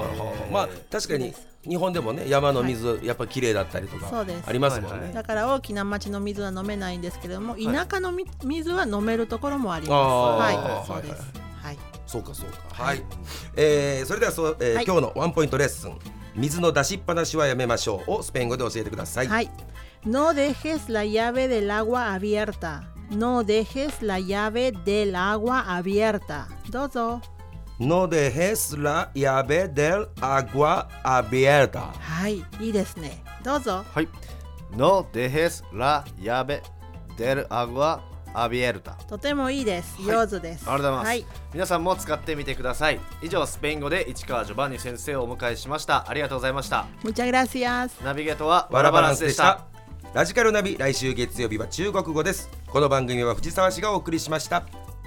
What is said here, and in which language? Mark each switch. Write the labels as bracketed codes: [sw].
[ja] はあ、まあ確かに日本でもね、山の水、はい、やっぱり綺麗だったりとかありますもんね、はいはい、だから大きな町の水は飲めないんですけれども、田舎の水は飲めるところもあります。あ、はい、そうです、はいはい、そうかそうか、はい、はい、それではそう、はい、今日のワンポイントレッスン、水の出しっぱなしはやめましょうをスペイン語で教えてください。 [es] はい、 No dejes la llave del agua abierta. No dejes la llave del agua abierta. [ja] どうぞ。 [es] No dejes la llave del agua abierta. [ja] はい、いいですね、どうぞ。 [es] はい、 No dejes la llave del agua abierta. [ja] とてもいいです、はい、上手です。ありがとうございます、はい、皆さんも使ってみてください。以上、スペイン語で市川ジョバンニ先生をお迎えしました。ありがとうございました。 [es] ムチャグラシアス。 [ja] ナビゲートはワラバランスでした。ラジカルナビ、来週月曜日は中国語です。この番組は藤沢氏がお送りしました。